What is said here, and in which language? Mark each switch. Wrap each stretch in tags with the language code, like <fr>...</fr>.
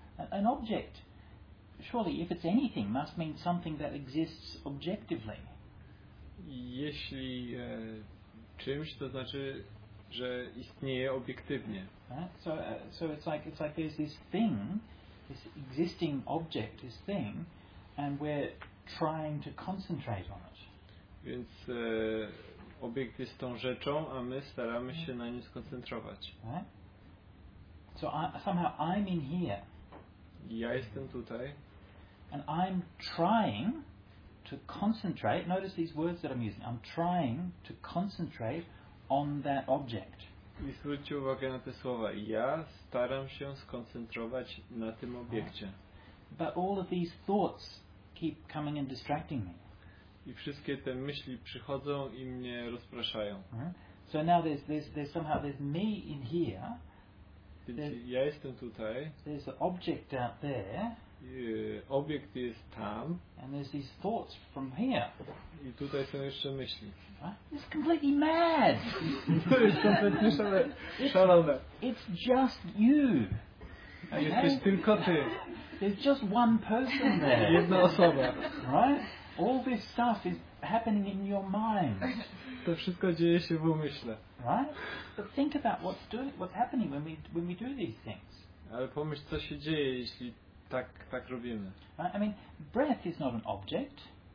<en>An object, surely, if it's anything, must mean something that exists objectively.</en> <pl>Jeśli czymś, to znaczy, że istnieje obiektywnie.</pl> <en>So it's like there's this thing, this existing object, this thing, and we're trying to concentrate on it.</en> <pl>Więc obiekt jest tą rzeczą, a my staramy się na nim skoncentrować.</pl> <en>Right? So somehow I'm in here.</en> <pl>Ja jestem tutaj.</pl> <en>And I'm trying to concentrate. Notice these words that I'm using. I'm trying to concentrate on that object.</en> <pl>I zwróćcie uwagę na te słowa. Ja staram się skoncentrować na tym obiekcie.</pl> <en>But all of these thoughts keep coming and distracting me.</en> <pl>I wszystkie te myśli przychodzą i mnie rozpraszają.</pl> <en>So now there's somehow there's me in here.</en> <pl>Ja jestem tutaj.</pl> <en>There's an object out there.</en> <pl>Obiekt jest tam.</pl> <en>And there's these thoughts from here.</en> <pl>I tutaj są jeszcze myśli.</pl> <en>It's completely mad.</en> <pl>To jest kompletnie szalone.</pl> <en>It's just you.</en> <pl>Okay? Jesteś tylko ty.</pl> <en>There's just one person there.</en> <pl>Jedna osoba.</pl> <en>Right? All this stuff is happening in your mind.</en> <pl>To wszystko dzieje się w umyśle.</pl> <en>Right? But think about what's happening when we do these things.</en> <pl>Ale pomyśl, co się dzieje, jeśli tak robimy.</pl> <en>Right? I mean, breath is not an object.</en>